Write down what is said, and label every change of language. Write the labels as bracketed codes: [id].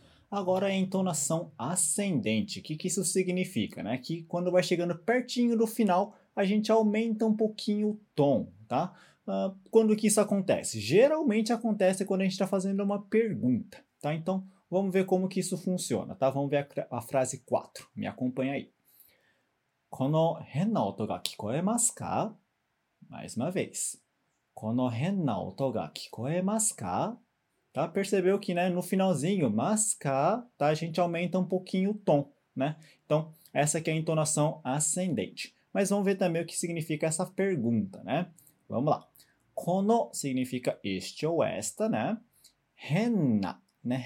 [pt] Agora, a entonação ascendente. O que, que isso significa, né? Que quando vai chegando pertinho do final, a gente aumenta um pouquinho o tom, tá? Quando que isso acontece? Geralmente acontece quando a gente está fazendo uma pergunta, tá? Então, vamos ver como que isso funciona, tá? Vamos ver a frase 4. Me acompanha aí. [ja] この変な音が聞こえますか? [pt] Mais uma vez. [ja] この変な音が聞こえますか？ [pt] たpercebeu que, né, no finalzinho, masca, tá, a gente aumenta um pouquinho o tom, né? Então, essa aqui é a entonação ascendente. Mas vamos ver também o que significa essa pergunta, né? Vamos lá. Kono significa este ou esta, né? Henna, né?